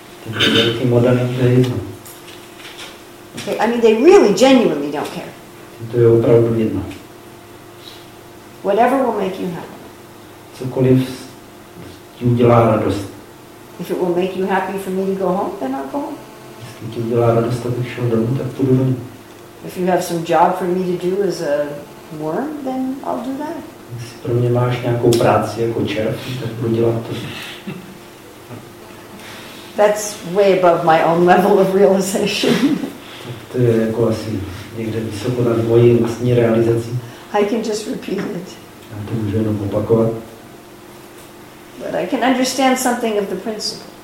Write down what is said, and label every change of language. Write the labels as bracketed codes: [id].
[en] Okay, I mean, they really genuinely don't care. [cs] To je opravdu jedno. [en] Whatever will make you happy. [cs] Cokoliv ti udělá radost. [en] If it will make you happy for me to go home, then I'll go home. [cs] Jestli ti udělá radost, abych šel domů, tak půjdu domů. [en] If you have some job for me to do as a worm, then I'll do that. [cs] Jestli pro mě máš nějakou práci jako červ, tak budu dělat to. [en] That's way above my own level of realization. [cs] Tak to je jako asi někde vysoko nad mojí vlastní realizací. [en] I can just repeat it. [cs] Já to můžu jenom opakovat. [en] But I can understand something of the principle.